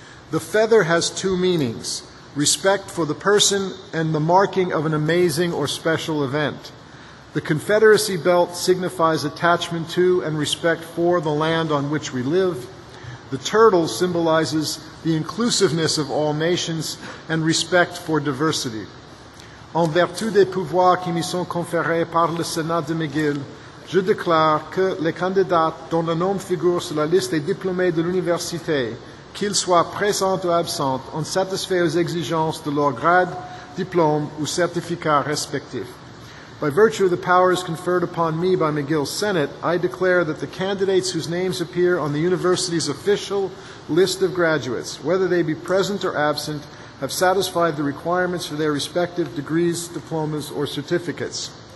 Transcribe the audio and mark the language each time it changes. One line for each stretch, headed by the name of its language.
English: The feather has two meanings, respect for the person and the marking of an amazing or special event. The Confederacy belt signifies attachment to and respect for the land on which we live. The turtle symbolizes the inclusiveness of all nations and respect for diversity.
French: En vertu des pouvoirs qui me sont conférés par le Sénat de McGill, je déclare que les candidats dont le nom figure sur la liste des diplômés de l'université, qu'ils soient présents ou absents, ont satisfait aux exigences de leur grade, diplôme ou certificat respectif.
English: By virtue of the powers conferred upon me by McGill's Senate, I declare that the candidates whose names appear on the university's official list of graduates, whether they be present or absent, have satisfied the requirements for their respective degrees, diplomas, or certificates.